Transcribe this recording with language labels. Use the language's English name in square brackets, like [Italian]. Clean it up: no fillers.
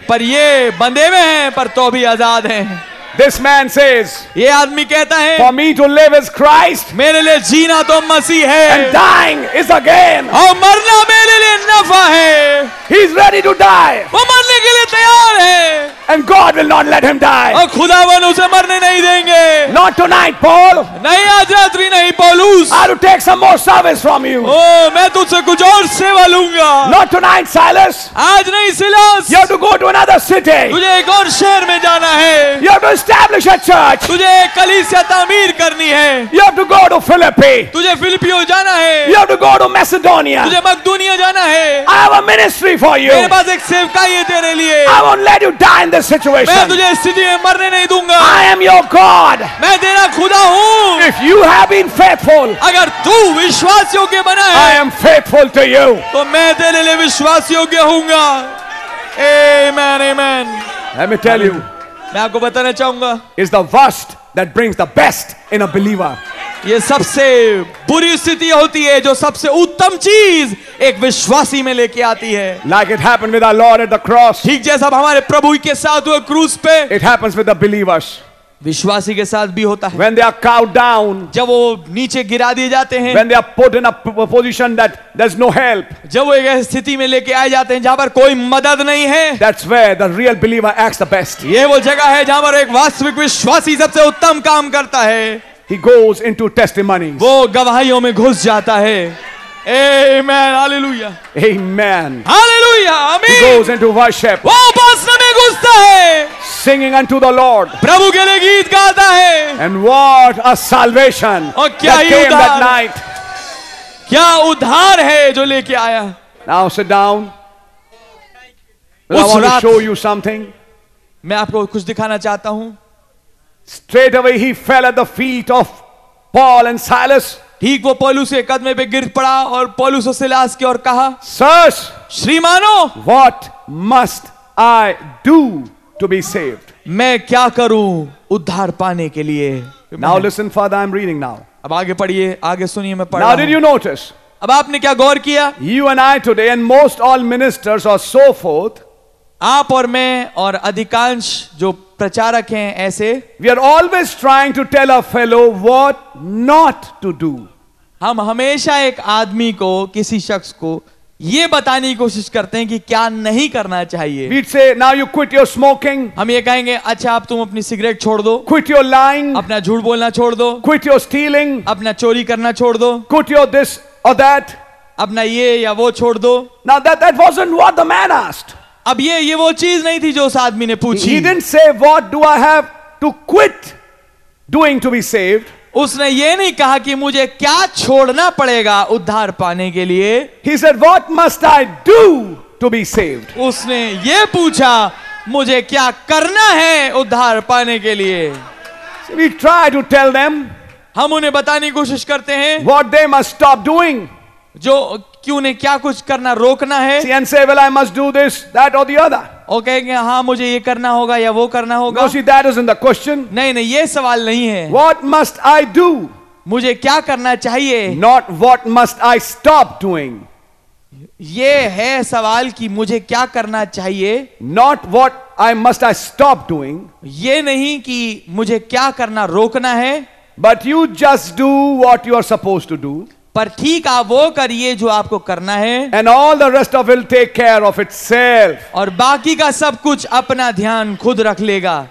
[Hindi] Par ye bandhe hue hain, par to abhi azad hain. [English] This man says, [Hindi] ये आदमी कहता है, [English] for me to live is Christ, [Hindi] मेरे लिए जीना तो मसीह है, [English] and dying is a gain, [Hindi] और मरना मेरे लिए नफा है, [English] he's ready to die, [Hindi] वो मरने के लिए तैयार है, [English] and God will not let him die, [Hindi] और खुदावन उसे मरने नहीं देंगे, [English] not tonight, Paul, [Hindi] नहीं आज रात्रि नहीं पौलुस, [English] I will take some more service from you, [Hindi] ओ मैं तुझसे कुछ और सेवा लूंगा, [English] not tonight, Silas, [Hindi] आज नहीं Silas, [English] you have to go to another city, [Hindi] तुझे एक और शहर में जाना है, [English] you have to establish a church. [Hindi] तुझे कलीसिया तामीर करनी है. [English] You have to go to Philippi. [Hindi] तुझे फिलिपियो जाना है. [English] You have to go to Macedonia. [Hindi] तुझे मकदूनिया जाना है. [English] I have a ministry for you. [Hindi] मेरे पास एक सेवकाई है तेरे लिए. [English] I won't let you die in this situation. [Hindi] मैं तुझे इस स्थिति में मरने नहीं दूंगा. [English] I am your God. [Hindi] मैं तेरा खुदा हूँ. [English] If you have been faithful, [Hindi] अगर तू विश्वास योग्य बना है, [English] I am faithful to you. [Hindi] तो मैं तेरे लिए विश्वास योग्य हूँगा. [English] Amen, amen. Let me tell you. [Hindi] मैं आपको बताना चाहूंगा. [English] Is the worst that brings the best in a believer. [Hindi] ये सबसे बुरी स्थिति होती है जो सबसे उत्तम चीज एक विश्वासी में लेके आती है. [English] Like it happened with our Lord at the cross. [Hindi] ठीक जैसा हमारे प्रभु के साथ हुआ क्रूस पे. [English] It happens with the believers. [Hindi] विश्वासी के साथ भी होता है. [English] When they are cowed down. [Hindi] जब वो नीचे गिरा दिए जाते हैं. [English] When they are put in a position that there's no help. [Hindi] जब वो एक ऐसी स्थिति में लेके आए जाते हैं जहां पर कोई मदद नहीं है. [English] That's where the real believer acts the best. [Hindi] ये वो जगह है जहां पर एक वास्तविक विश्वासी सबसे उत्तम काम करता है. [English] He goes into testimonies. [Hindi] वो गवाहियों में घुस जाता है. [English] Amen, hallelujah. Amen, hallelujah. Amen. He goes into worship. [Hindi] वो उपासना में घुसता है. [English] Singing unto the Lord. [Hindi] प्रभु के लिए गीत गाता है. [English] And what a salvation! [Hindi] और क्या [English] that came that night. [Hindi] क्या उधार है जो लेके आया. [English] Now sit down. Well, I want to show you something. [Hindi] मैं आपको कुछ दिखाना चाहता हूँ. [English] Straight away he fell at the feet of Paul and Silas. [Hindi] ठीक वो पौलुस के कदमे पे गिर पड़ा और पौलुस और सिलास की ओर कहा. [English] sir [Hindi] श्रीमानो. [English] What must I do to be saved. [Hindi] मैं क्या करूं उद्धार पाने के लिए. [English] Now listen father I am reading now. [Hindi] अब आगे पढ़िए. आगे सुनिए. मैं [English] पढ़ा. Now did you notice. [Hindi] अब आपने क्या गौर किया. [English] You and I today and most all ministers और so forth. [Hindi] आप और मैं और अधिकांश जो प्रचारक हैं ऐसे. [English] We are always trying to tell a fellow what not to do. [Hindi] हम हमेशा एक आदमी को किसी शख्स को ये बताने की कोशिश करते हैं कि क्या नहीं करना चाहिए. [English] We say now you quit your smoking. [Hindi] हम ये कहेंगे अच्छा आप तुम अपनी सिगरेट छोड़ दो. [English] Quit your lying. [Hindi] अपना झूठ बोलना छोड़ दो. [English] Quit your stealing. [Hindi] अपना चोरी करना छोड़ दो. [English] Quit your this और that. [Hindi] अपना ये या वो छोड़ दो. [English] Now that that wasn't what the man asked. [Hindi] अब ये वो चीज नहीं थी जो उस आदमी ने पूछी. [English] He didn't say what do I have to quit doing to be saved. [Hindi] उसने ये नहीं कहा कि मुझे क्या छोड़ना पड़ेगा उद्धार पाने के लिए. [English] He said, "What must I do to be saved?" [Hindi] उसने ये पूछा मुझे क्या करना है उद्धार पाने के लिए. [English] So we try to tell them. [Hindi] हम उन्हें बताने की कोशिश करते हैं. [English] What they must stop doing. [Hindi] जो कि उन्हें क्या कुछ करना रोकना है. [English] See, and say, well, I must do this, that, or the other. [Hindi] Okay, हाँ मुझे ये करना होगा या वो करना होगा. [English] No, see, that isn't the question. [Hindi] नहीं नहीं ये सवाल नहीं है. [English] What must I do? [Hindi] मुझे क्या करना चाहिए. [English] Not what must I stop doing. [Hindi] ये है सवाल कि मुझे क्या करना चाहिए. [English] Not what I must I stop doing. [Hindi] ये नहीं कि मुझे क्या करना रोकना है. [English] But you just do what you are supposed to do. [Hindi] पर ठीक आप वो करिए जो आपको करना है. [English] And all the rest of it will take care of itself. [Hindi] और बाकी का सब कुछ अपना ध्यान खुद रख लेगा.